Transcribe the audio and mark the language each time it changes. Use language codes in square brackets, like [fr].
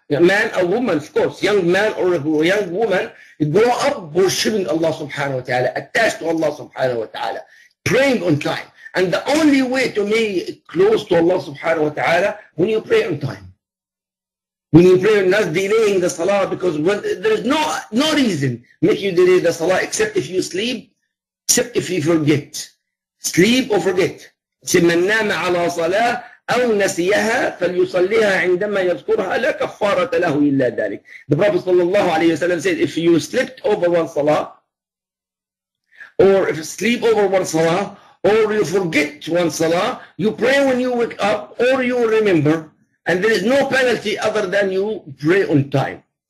[en] A man, a woman, of course. Young man or a young woman, he grow up worshipping Allah subhanahu wa ta'ala, attached to Allah subhanahu wa ta'ala, praying on time. And the only way to be close to Allah subhanahu wa ta'ala, when you pray on time. When you pray, not delaying the salah, because when, there's no reason make you delay the salah, except if you sleep. Except if you forget, sleep or forget. Say, [ar] من نام على صلاة أو نسيها فليصليها عندما يذكرها لا كفارة له إلا ذلك. [en] The Prophet [ar] صلى الله عليه وسلم [en] said, if you slept over one salah, or if you sleep over one salah, or you forget one salah, you pray when you wake up, or you remember, and there is no penalty other than you pray on time.